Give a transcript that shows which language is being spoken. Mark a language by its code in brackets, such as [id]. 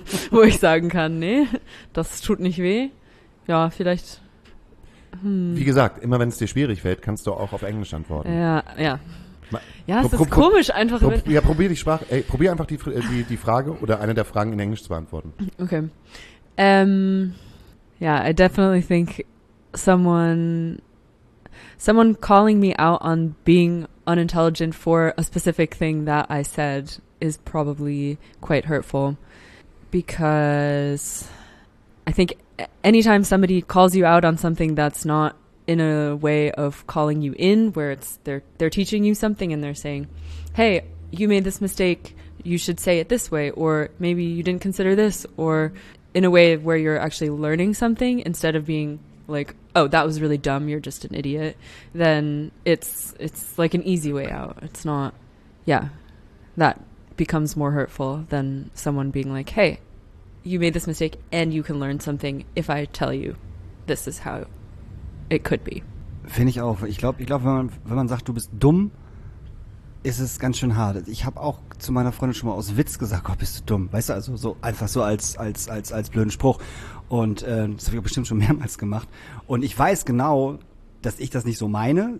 [de] Wo ich sagen kann, nee, das tut nicht weh. Ja, vielleicht. Wie gesagt, immer wenn es dir schwierig fällt, kannst du auch auf Englisch antworten. Ja, ja. Ja, es ist komisch einfach. Ja, probier einfach die Frage oder eine der Fragen in Englisch zu beantworten. Okay. [en] Yeah, I definitely think someone calling me out on being unintelligent for a specific thing that I said is probably quite hurtful, because I think anytime somebody calls you out on something that's not in a way of calling you in, where it's they're teaching you something and they're saying, hey, you made this mistake, you should say it this way, or maybe you didn't consider this, or in a way where you're actually learning something instead of being like, oh, that was really dumb, you're just an idiot, then it's like an easy way out. It's not, yeah, that becomes more hurtful than someone being like, hey, you made this mistake and you can learn something if I tell you this is how it could be. [de] Finde ich auch. Ich glaube, wenn man sagt, du bist dumm, ist es ganz schön hart. Ich habe auch zu meiner Freundin schon mal aus Witz gesagt, oh, bist du dumm. Weißt du, also so einfach so als blöden Spruch. Und das habe ich auch bestimmt schon mehrmals gemacht. Und ich weiß genau, dass ich das nicht so meine.